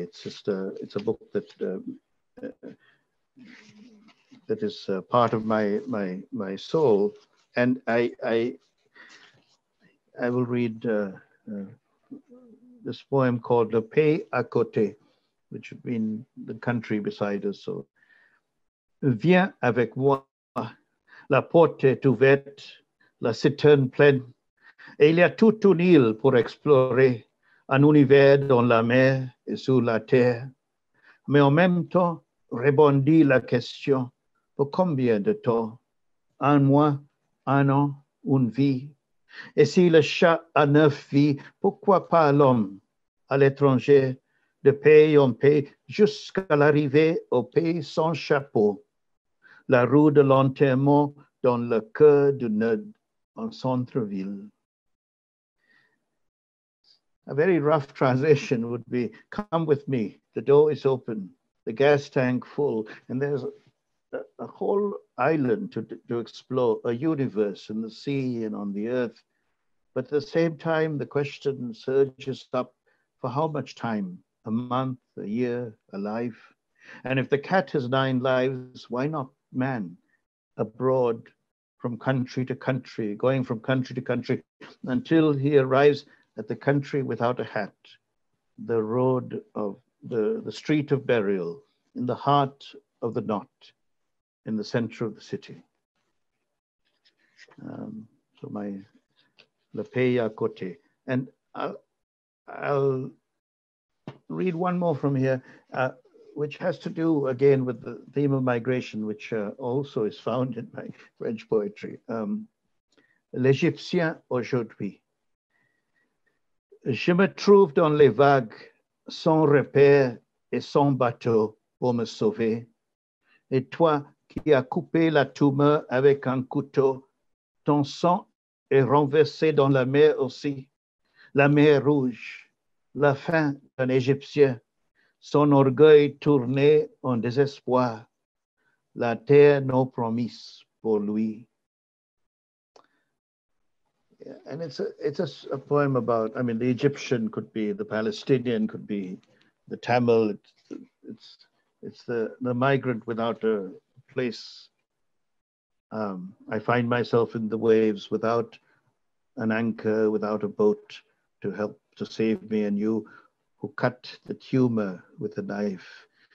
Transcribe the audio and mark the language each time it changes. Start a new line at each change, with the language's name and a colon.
English: It's just, it's a book that that is part of my soul. And I will read this poem called Le Pays à côté, which would mean the country beside us.
French: So, viens avec moi, la porte est ouverte, la citerne pleine, et il y a toute une île pour explorer, un univers dans la mer et sur la terre. Mais en même temps, rebondit la question, pour combien de temps, un mois, un an, une vie? Et si le chat a neuf vies, pourquoi pas l'homme à l'étranger, de pays en pays, jusqu'à l'arrivée au pays sans chapeau, la roue de l'enterrement dans le cœur du nœud en centre-ville.
English: A very rough translation would be, come with me, the door is open, the gas tank full, and there's a whole island to explore, a universe in the sea and on the earth. But at the same time, the question surges up, for how much time? A month, a year, a life. And if the cat has nine lives, why not man, abroad from country to country, going from country to country until he arrives at the country without a hat, the road of the street of burial, in the heart of the knot, in the center of the city. So my Le Pays à côté. And I'll read one more from here, which has to do again with the theme of migration, which also is found in my French poetry.
French: L'Égyptien aujourd'hui. Je me trouve dans les vagues, sans repère et sans bateau pour me sauver. Et toi qui as coupé la tumeur avec un couteau, ton sang est renversé dans la mer aussi, la mer rouge. La fin d'un Égyptien, son orgueil tourné en désespoir, la terre non promise pour lui.
English: Yeah, and it's a poem about, I mean, the Egyptian could be, the Palestinian could be, the Tamil, it's the migrant without a place. I find myself in the waves without an anchor, without a boat to help to save me, and you who cut the tumor with a knife.